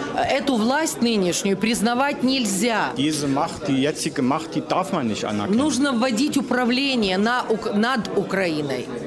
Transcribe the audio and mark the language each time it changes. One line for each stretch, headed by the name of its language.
Russian: Эту власть нынешнюю признавать нельзя.
German: Diese Macht, die jetzige Macht, die darf man nicht anerkennen.
Russian: Нужно вводить управление над Украиной.